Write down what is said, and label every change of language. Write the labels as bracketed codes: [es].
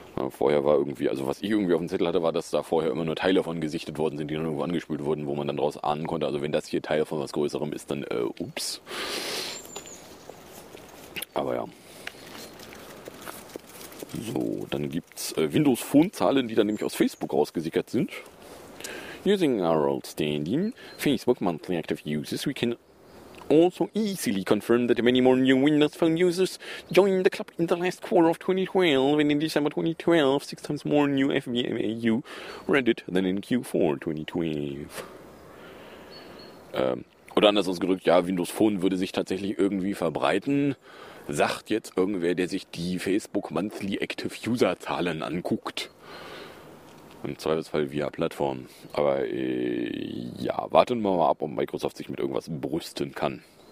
[de] Vorher war irgendwie, also was ich irgendwie auf dem Zettel hatte, war, dass da vorher immer nur Teile von gesichtet worden sind, die dann irgendwo angespült wurden, wo man dann draus ahnen konnte. Also wenn das hier Teil von was Größerem ist, dann ups. Aber ja. So, dann gibt's Windows Phone Zahlen, die dann nämlich aus Facebook rausgesickert sind. [en] Using our old standing Facebook monthly active users, we can also easily confirm that many more new Windows Phone users joined the club in the last quarter of 2012, and in December 2012, 6 times more new FBMAU Reddit than in Q4 2012. [de] Oder anders ausgedrückt, ja, Windows Phone würde sich tatsächlich irgendwie verbreiten, sagt jetzt irgendwer, der sich die Facebook Monthly Active User Zahlen anguckt. Im Zweifelsfall via Plattform. Aber ja, warten wir mal ab, ob Microsoft sich mit irgendwas brüsten kann.